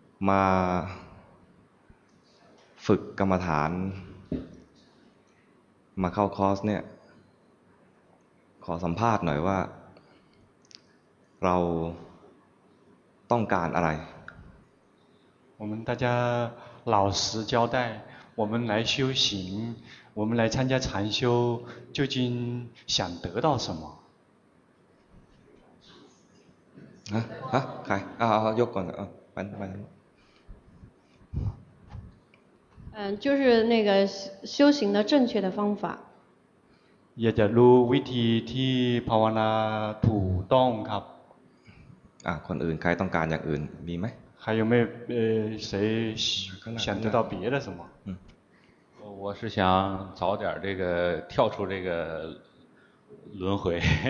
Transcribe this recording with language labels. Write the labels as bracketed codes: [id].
[th] มาฝึกกรรมฐานมาเข้าคอร์สเนี่ยขอสัมภาษณ์หน่อยว่าเราต้องการอะไร [zh] 我们大家老实交代，我们来修行，我们来参加禅修，究竟想得到什么？啊啊，开啊啊，要管的啊，完完。嗯，就是那个修行的正确的方法。 [th] อยากจะรู้วิธีที่ภาวนาถูกต้องครับ。啊，คนอื่นใครต้องการอย่างอื่นมีไหม？ [zh] 还有没有谁想得到别的什么？嗯，我是想早点这个跳出这个轮回。